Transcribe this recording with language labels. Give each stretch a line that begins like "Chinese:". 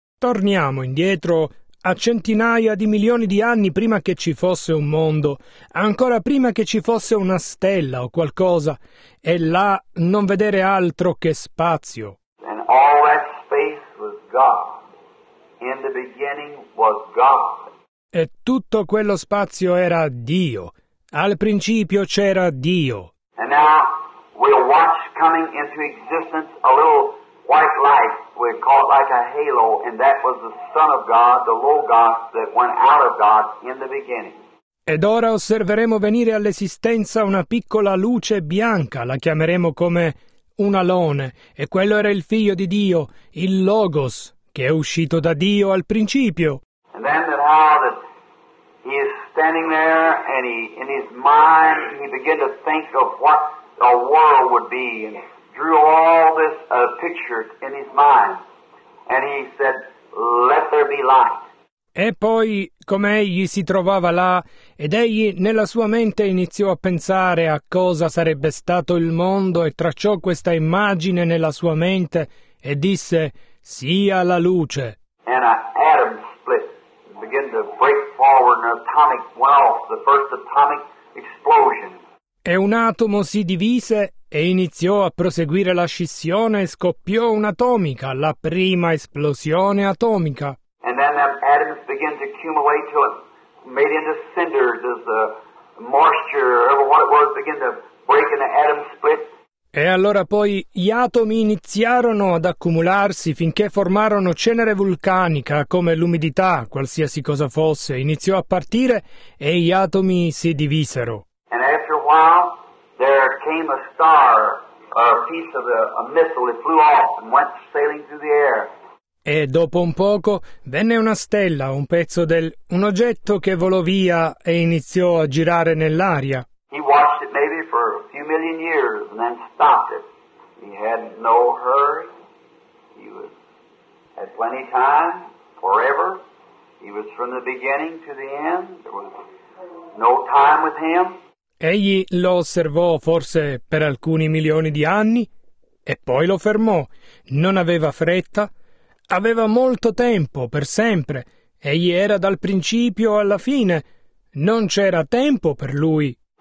Italian: Torniamo indietro a centinaia di milioni di anni prima che ci fosse un mondo, ancora prima che ci fosse una stella o qualcosa, e là non vedere altro che spazio.
English: And all that space was God. In the beginning was God.
Italian: E tutto quello spazio era Dio. Al principio c'era Dio.
English: And now we'll watch coming into existence a little white light. We call it like a halo, and that was the Son of God, the Logos, that went out of God in the beginning.
Italian: Ed ora osserveremo venire all'esistenza una piccola luce bianca, la chiameremo come un alone, e quello era il Figlio di Dio, il Logos, che è uscito da Dio al principio.
English: And then that how that he is standing there, and he, in his mind, he began to think of what the world would be, and drew all this picture in his mind, and he said, "Let there be light."
Italian: E poi, come egli si trovava là, ed egli nella sua mente iniziò a pensare a cosa sarebbe stato il mondo, e tracciò questa immagine nella sua mente, e disse, "Sia la luce."
English: And an atom split, began to break forward, an atomic went off, the first atomic explosion.
Italian: E un atomo si divise e iniziò a proseguire la scissione e scoppiò un'atomica, la prima esplosione atomica.
English: And then the atoms began to accumulate to it, made into cinders as the moisture or what it was began to break in the atom split.
Italian: E allora poi gli atomi iniziarono ad accumularsi finché formarono cenere vulcanica, come l'umidità, qualsiasi cosa fosse, iniziò a partire e gli atomi si divisero.
English: And after a while there came a star, a piece of a missile that flew off and went sailing through the air.
Italian: E dopo un poco venne una stella, un pezzo del un oggetto che volò via e iniziò a girare nell'aria.
English: He watched it maybe for a few million years and then stopped it. He had no hurry. He was had plenty of time, forever. He was from the beginning to the end. There was no time with him.
Italian: Egli lo osservò forse per alcuni milioni di anni e poi lo fermò. Non aveva fretta. Aveva molto tempo, per sempre. Egli era dal principio alla fine. Non c'era tempo per lui.